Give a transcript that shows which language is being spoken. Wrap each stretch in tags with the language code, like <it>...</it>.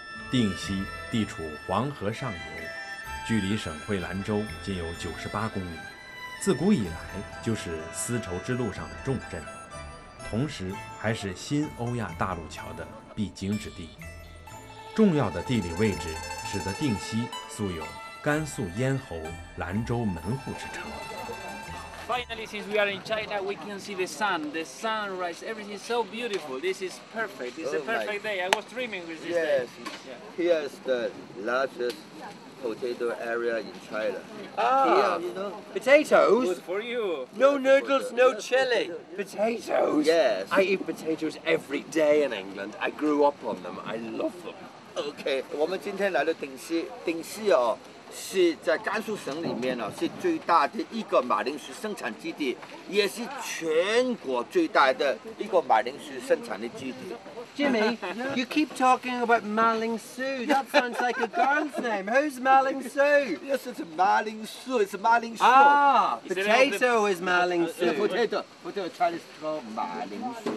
<zh>定西地处黄河上游，距离省会兰州仅有98公里，自古以来就是丝绸之路上的重镇，同时还是新欧亚大陆桥的必经之地。重要的地理位置使得定西素有甘肃咽喉、兰州门户之称。</zh> <en>Finally, since we are in China, we can see the sunrise, everything is so beautiful. This is perfect. This is a perfect day. I was dreaming with this day. Yes. Yeah. Here is the largest potato area in China. Ah, here, you know. Potatoes? Good for you. No noodles, no chili. Potatoes? Yes. I eat potatoes every day in England. I grew up on them. I love them.</en> <zh>Okay, 我们今天来到定西，定西哦。是在甘肃省里面呢，是最大的一个马铃薯生产基地，也是全国最大的一个马铃薯生产的基地。</zh> <en>Jimmy, you keep talking about Ma Ling Su. That sounds like a girl's name. Who's Ma Ling Su? Yes, it's Ma Ling Su. It's Ma Ling Su. Ah, potato is Ma Ling Su. Potato. Potato. Chinese called Ma Ling Su.</en>